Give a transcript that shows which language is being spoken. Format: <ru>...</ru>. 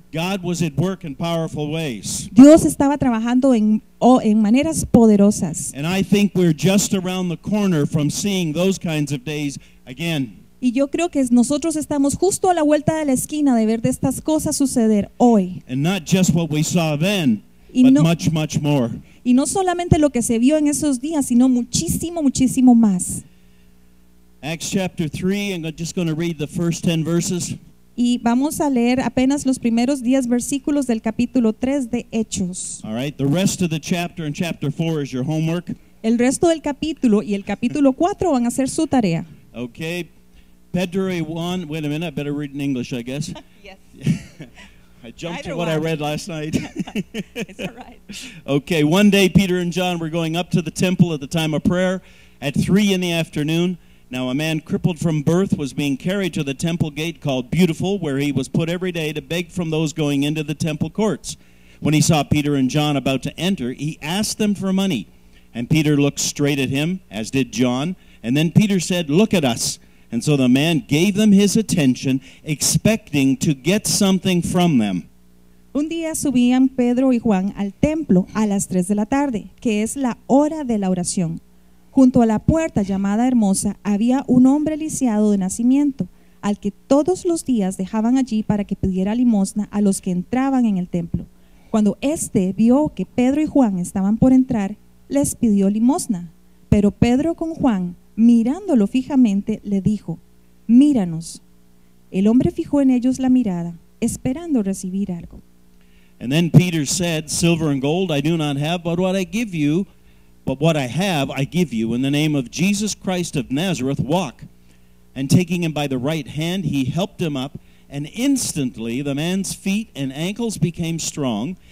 <en>God was at work in powerful ways.</en> <es>Dios estaba trabajando en maneras poderosas.</es> <en>And I think we're just around the corner from seeing those kinds of days again.</en> <es>Y yo creo que nosotros estamos justo a la vuelta de la esquina de ver de estas cosas suceder hoy.</es> <en>And not just what we saw then, but much, much more.</en> <es>Y no solamente lo que se vio en esos días, sino muchísimo, muchísimo más.</es> <en>Acts chapter 3, I'm just going to read the first 10 verses.</en> <es>Y vamos a leer apenas los primeros 10 versículos del capítulo 3 de Hechos.</es> <en>All right, the rest of the chapter in chapter 4 is your homework.</en> <es>El resto del capítulo y el capítulo 4 van a ser su tarea.</es> <en>Okay. Pedro 1, wait a minute, I better read in English, I guess. Yes. I jumped to what one. I read last night. It's all right. Okay, one day Peter and John were going up to the temple at the time of prayer at 3 in the afternoon. Now a man crippled from birth was being carried to the temple gate called Beautiful, where he was put every day to beg from those going into the temple courts. When he saw Peter and John about to enter, he asked them for money. And Peter looked straight at him, as did John. And then Peter said, "Look at us." And so the man gave them his attention, expecting to get something from them.</en> <es>Un día subían Pedro y Juan al templo a las 3 de la tarde, que es la hora de la oración. Junto a la puerta llamada Hermosa había un hombre lisiado de nacimiento, al que todos los días dejaban allí para que pidiera limosna a los que entraban en el templo. Cuando este vio que Pedro y Juan estaban por entrar, les pidió limosna. Pero Pedro con Juan, mirándolo fijamente, le dijo: "Míranos." El hombre fijó en ellos la mirada, esperando recibir algo.</es> <en>And then Peter said, "Silver and gold I do not have, but what I give you, but what I have, I give you. In the name of Jesus Christ of Nazareth, walk." And taking him by the right hand, he helped him up, and instantly the man's feet and ankles became strong.</en>